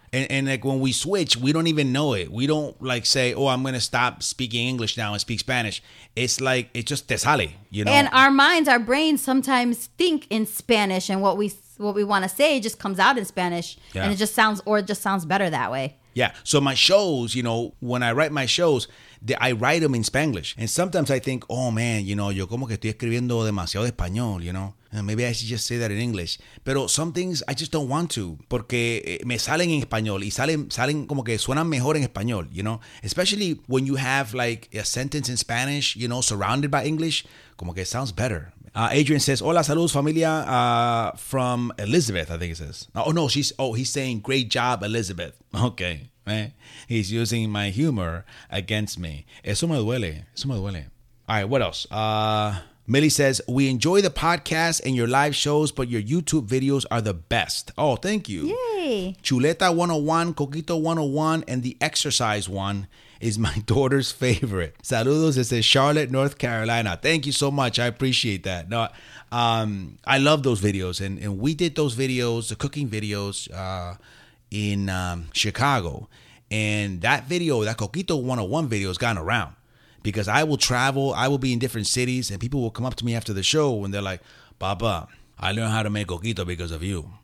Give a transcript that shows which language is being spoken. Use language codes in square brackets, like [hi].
[en] And like when we switch, we don't even know it. We don't like say, oh, I'm going to stop speaking English now and speak Spanish. It's like, it just [es] te sale, [en] you know? And our minds, our brains sometimes think in Spanish and what we want to say just comes out in Spanish. Yeah. And it just sounds, or it just sounds better that way. Yeah. So my shows, you know, when I write my shows, I write them in Spanglish. And sometimes I think, oh man, you know, [es] yo como que estoy escribiendo demasiado español, [en] you know? Maybe I should just say that in English. Pero some things I just don't want to. [es] Porque me salen en español. Y salen como que suenan mejor en español, [en] you know? Especially when you have like a sentence in Spanish, you know, surrounded by English. [es] Como que [en] it sounds better. Adrian says, [es] hola, saludos, familia. [en] From Elizabeth, I think it says. He's saying, great job, Elizabeth. Okay. He's using my humor against me. [es] Eso me duele. Eso me duele. [en] All right, what else? Millie says, we enjoy the podcast and your live shows, but your YouTube videos are the best. Oh, thank you. Yay. Chuleta 101, Coquito 101, and the exercise one is my daughter's favorite. [es] Saludos desde Charlotte, North Carolina. [en] Thank you so much. I appreciate that. No, I love those videos. And we did those videos, the cooking videos in Chicago. And that video, that Coquito 101 video has gone around. Because I will travel, I will be in different cities, and people will come up to me after the show and they're like, Papa, I learned how to make coquito because of you.